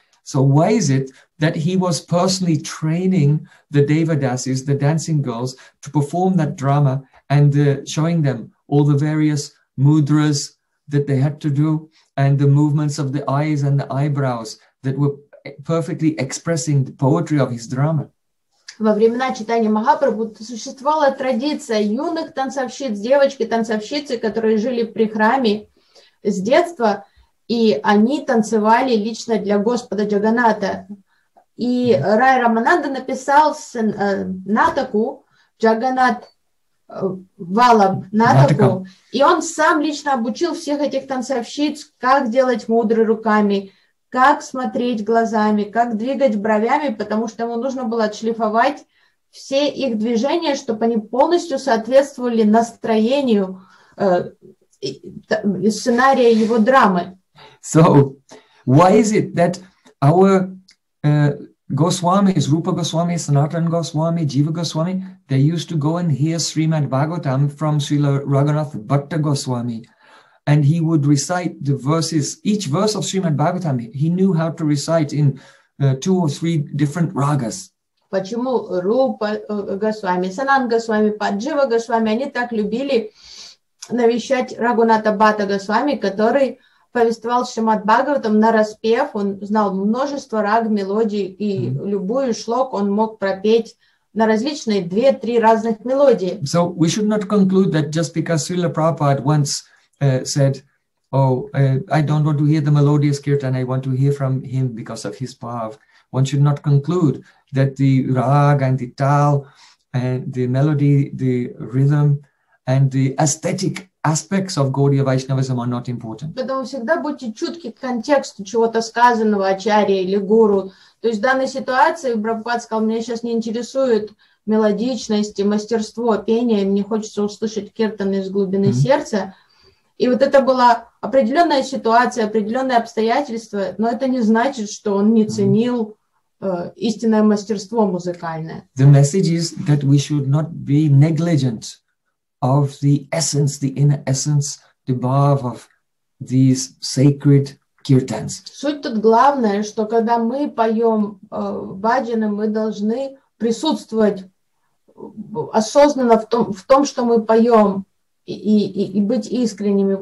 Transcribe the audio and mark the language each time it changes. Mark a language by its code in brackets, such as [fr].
[en] So why is it that he was personally training the Deva Dasis, the dancing girls, to perform that drama and showing them all the various mudras that they had to do and the movements of the eyes and the eyebrows that were perfectly expressing the poetry of his drama. [ru] Во времена читания Махапрабху существовала традиция юных танцовщиц, девочки-танцовщицы, которые жили при храме с детства, и они танцевали лично для Господа Джаганната. И Рай Рамананда написал натаку Джаганат Валаб Натаку, и он сам лично обучил всех этих танцовщиц, как делать мудры руками, как смотреть глазами, как двигать бровями, потому что ему нужно было отшлифовать все их движения, чтобы они полностью соответствовали настроению сценария его драмы. [en] So, why is it that our Goswamis, Rupa Goswami, Sanatan Goswami, Jiva Goswami, they used to go and hear Srimad Bhagavatam from Srila Raghunath Bhatta Goswami. And he would recite the verses, each verse of Srimad Bhagavatam, he knew how to recite in two or three different ragas. [ru] Почему Рупа Госвами, Санан Госвами, Паджива Госвами, они так любили навещать Рагуната Бхатта Госвами, который повествовал Шримад Бхагаватам на распев, он знал множество раг, мелодий, и любую шлок он мог пропеть на различные 2-3 разных мелодии. [en] So we should not conclude that just because Srila Prabhupada once said, I don't want to hear the melodious kirtan, I want to hear from him because of his bhav. One should not conclude that the rag and the tal and the melody, the rhythm and the aesthetic aspects of Gaudiya Vaishnavism are not important. [ru] Поэтому всегда будьте чутки к контексту чего-то сказанного ачарьей или гуру. То есть в данной ситуации Прабхупада сказал, меня сейчас не интересует мелодичность и мастерство пения, мне хочется услышать киртан из глубины сердца. И вот это была определенная ситуация, определенные обстоятельства, но это не значит, что он не ценил истинное мастерство музыкальное. [en] The message is that we should not be negligent of the essence, the inner essence, the bhav of these sacred kirtans. [ru] Суть тут главная, что когда мы поем баджаны, мы должны присутствовать осознанно в том, что мы поем, и быть искренними.